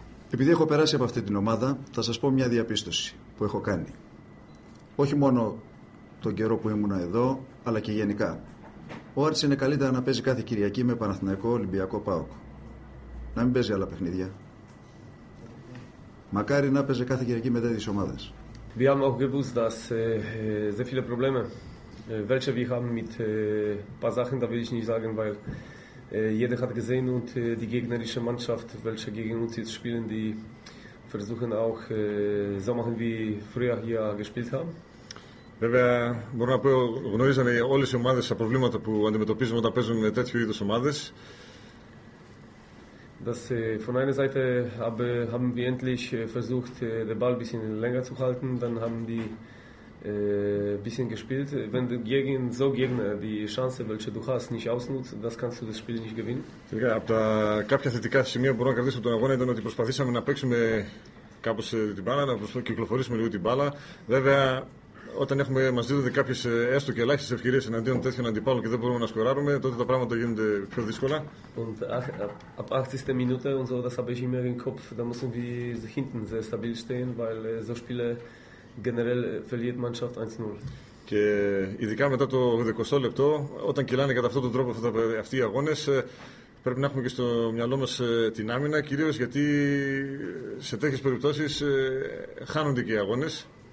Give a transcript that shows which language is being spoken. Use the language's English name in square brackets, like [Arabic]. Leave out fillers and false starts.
[Greek] Επειδή έχω περάσει από αυτή την ομάδα, θα σας πω μια διαπίστωση που έχω κάνει. Όχι μόνο τον καιρό που ήμουν εδώ, αλλά και γενικά. Ο Άρης είναι καλύτερα να παίζει κάθε Κυριακή με Παναθηναϊκό, Ολυμπιακό, ΠΑΟΚ. Να μην παίζει άλλα παιχνίδια. Μακάρι να παίζει κάθε Κυριακή με τέτοιες ομάδες. [German] Wir haben auch gewusst, dass sehr viele Probleme, welche wir haben mit ein paar Sachen, da will ich nicht sagen, weil jeder hat gesehen und die gegnerische Mannschaft, welche gegen uns jetzt spielen, die versuchen auch so machen, wie früher hier gespielt haben. [Greek] Βέβαια, μπορώ να πω, γνωρίζαμε όλες οι ομάδες τα προβλήματα που αντιμετωπίζουμε όταν παίζουμε με τέτοιου είδους ομάδες. [German] Dass von einer Seite haben wir endlich versucht, den Ball ein bisschen länger zu halten. Dann haben die ein bisschen gespielt. Wenn du gegen so Gegner die Chance, welche du hast, nicht ausnutzt, das kannst du das Spiel nicht gewinnen. [Greek] Ja, από τα κάποια θετικά σημεία που μπορώ να κρατήσω από τον αγώνα ήταν ότι προσπαθήσαμε να παίξουμε κάπως την μπάλα, να κυκλοφορήσουμε λίγο την μπάλα. Βέβαια, όταν έχουμε μας δίδονται κάποιες έστω και ελάχιστες ευκαιρίες εναντίον τέτοιων αντιπάλων και δεν μπορούμε να σκοράρουμε, τότε τα πράγματα γίνονται πιο δύσκολα. [German] Und ab 80. Minute und so, das habe ich immer im Kopf, da müssen wir hinten sehr stabil stehen, weil so Spiele generell verliert Mannschaft 1-0. [Greek] Και ειδικά μετά το 20 λεπτό, όταν κυλάνε κατά αυτόν τον τρόπο αυτοί οι αγώνες, πρέπει να έχουμε και στο μυαλό μας την άμυνα, κυρίως γιατί σε τέτοιες περιπτώσεις χάνονται και οι αγώνες.